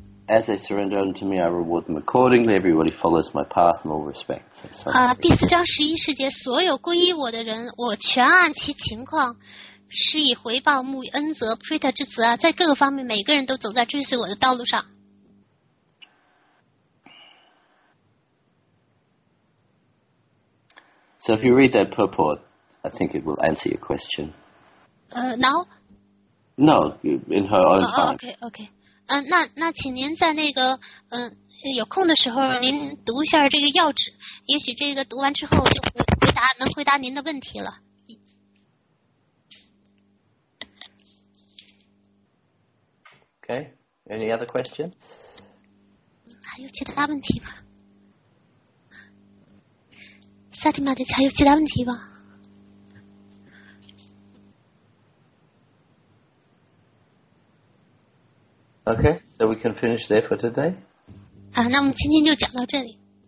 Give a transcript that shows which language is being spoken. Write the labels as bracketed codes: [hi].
[en] As they surrender unto me, I reward them accordingly. Everybody follows my path in all respects. [zh] 第四章十一世界，所有皈依我的人，我全按其情况。施以回报，沐浴恩泽 ，Prita 之子啊，在各个方面，每个人都走在追随我的道路上。 [en] So if you read that purport, I think it will answer your question. Now? No, in her own time. Okay. [zh] 那请您在那个有空的时候，您读一下这个要旨，也许这个读完之后就能回答您的问题了。 [en] Okay, any other questions? [zh] 还有其他问题吗？萨提玛的还有其他问题吗？ [en] Okay, so we can finish there for today. [zh] 那我们今天就讲到这里。